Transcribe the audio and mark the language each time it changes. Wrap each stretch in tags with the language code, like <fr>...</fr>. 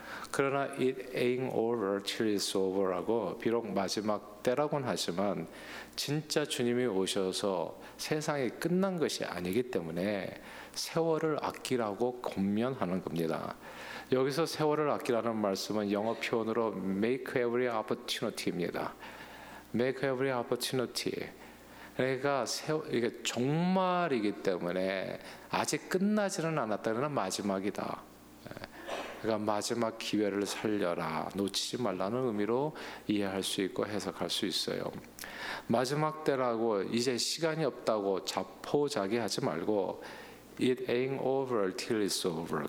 <ko>그러나</ko> <en>it ain't over till it's over</en> <ko>라고 비록 마지막 때라고는 하지만 진짜 주님이 오셔서 세상이 끝난 것이 아니기 때문에 세월을 아끼라고 권면하는 겁니다. 여기서 세월을 아끼라는 말씀은 영어 표현으로</ko> <en>make every opportunity</en> <ko>입니다.</ko> <en>make every opportunity.</en> <ko>그러니까 이게 종말이기 때문에 아직 끝나지는 않았다는 마지막이다. 그러니까 마지막 기회를 살려라. 놓치지 말라는 의미로 이해할 수 있고 해석할 수 있어요. 마지막 때라고 이제 시간이 없다고 자포자기하지 말고</ko> <en>It ain't over till it's over.</en>